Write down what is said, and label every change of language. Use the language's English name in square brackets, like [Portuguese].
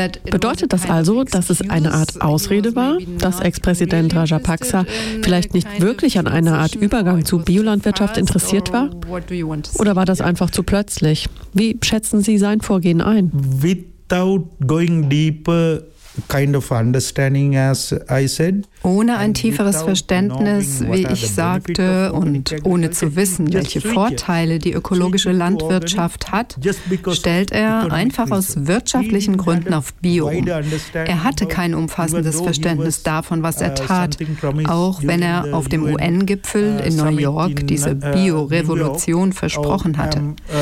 [German] Bedeutet das also, dass es eine Art Ausrede war, dass Ex-Präsident Rajapaksa vielleicht nicht wirklich an einer Art Übergang zu Biolandwirtschaft interessiert war? Oder war das einfach zu plötzlich? Wie schätzen Sie sein Vorgehen ein? [English] Without going deeper kind of understanding, as I said. [German] Ohne ein tieferes Verständnis, wie ich sagte, und ohne zu wissen, welche Vorteile die ökologische Landwirtschaft hat, stellt er einfach aus wirtschaftlichen Gründen auf Bio um. Er hatte kein umfassendes Verständnis davon, was er tat, auch wenn er auf dem UN-Gipfel in New York diese Bio-Revolution versprochen hatte.